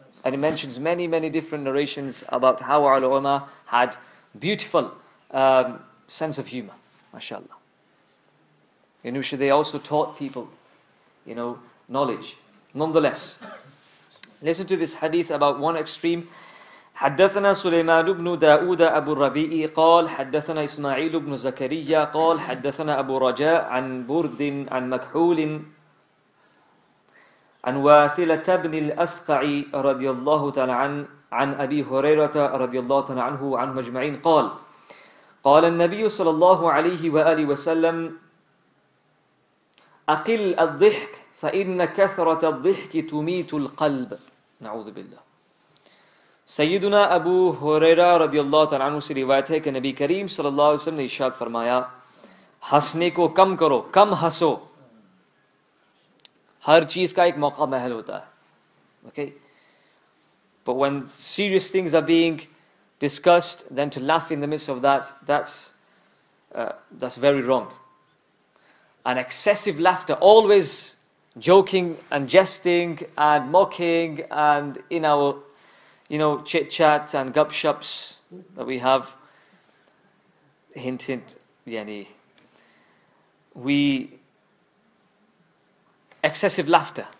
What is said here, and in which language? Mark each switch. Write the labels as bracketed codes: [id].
[en] And he mentions many, many different narrations about how al-ulama had beautiful sense of humor, mashallah. In which they also taught people, you know, knowledge. Nonetheless, listen to this hadith about one extreme. [ar] حدثنا سليمان بن داود أبو الربيع قال حدثنا إسماعيل بن زكريا قال حدثنا أبو رجاء عن برد عن مكحول عن واثلة بن الأسقع رضي الله تعالى عن أبي هريرة رضي الله تعالى عنه عن مجمعين قال النبي صلى الله عليه وآله وسلم أقل الضحك فإن كثرة الضحك تميت القلب نعوذ بالله [ur] سیدنا ابو ہریرہ رضی اللہ تعالیٰ عنہ سے روایت ہے کہ نبی کریم صلی اللہ علیہ وسلم نے ارشاد فرمایا ہنسنے کو کم کرو کم ہنسو ہر چیز کا ایک موقع محل ہوتا ہے. [en] Okay, but when serious things are being discussed, then to laugh in the midst of that, that's very wrong. And excessive laughter, always joking and jesting and mocking and in our, you know, chit chat and gupshups that we have, hint hint, yani, we excessive laughter.